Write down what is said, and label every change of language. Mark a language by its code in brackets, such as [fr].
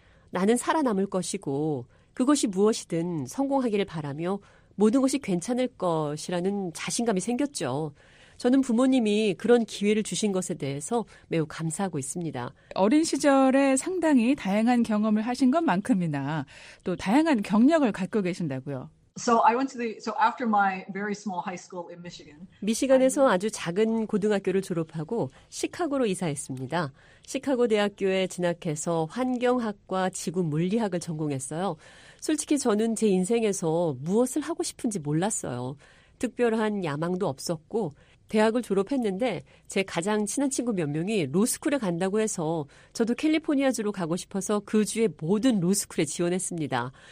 [ko] 나는 살아남을 것이고 그것이 무엇이든 성공하기를 바라며 모든 것이 괜찮을 것이라는 자신감이 생겼죠. 저는 부모님이 그런 기회를 주신 것에 대해서 매우 감사하고 있습니다. 어린 시절에 상당히 다양한 경험을 하신 것만큼이나 또 다양한 경력을 갖고 계신다고요. [en] So I went to the so after my very small high school in Michigan. [ko] 미시간에서 아주 작은 고등학교를 졸업하고 시카고로 이사했습니다. 시카고 대학교에 진학해서 환경학과 지구 물리학을 전공했어요. 솔직히 저는 제 인생에서 무엇을 하고 싶은지 몰랐어요. 특별한 야망도 없었고 대학을 졸업했는데 제 가장 친한 친구 몇 명이 로스쿨에 간다고 해서 저도 캘리포니아주로 가고 싶어서 그 주에 모든 로스쿨에 지원했습니다.